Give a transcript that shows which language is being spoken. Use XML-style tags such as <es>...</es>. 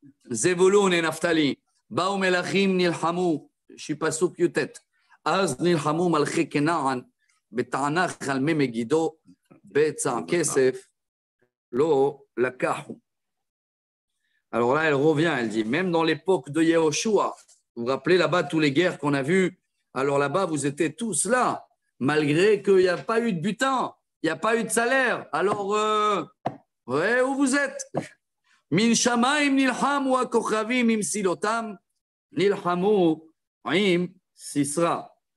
<fr>Zevulun et Naftali,</fr> <he>Baum Elachim Nilhamu,</he> <fr>je ne suis pas sûr que tu es.</fr> <he>אז נלחמו מלכי כנען בתענך על מי מגידו בצע כסף לא לקחו.</he> <fr>Alors là, elle revient, elle dit, même dans l'époque de Yehoshua, vous vous rappelez là-bas toutes les guerres qu'on a vues, alors là-bas, vous étiez tous là, malgré qu'il n'y a pas eu de butin, il n'y a pas eu de salaire. Alors, ouais, où vous êtes ?</fr> <he>Min shamaim nilhamu akochavim im silotam nilhamu im Sisra.</he>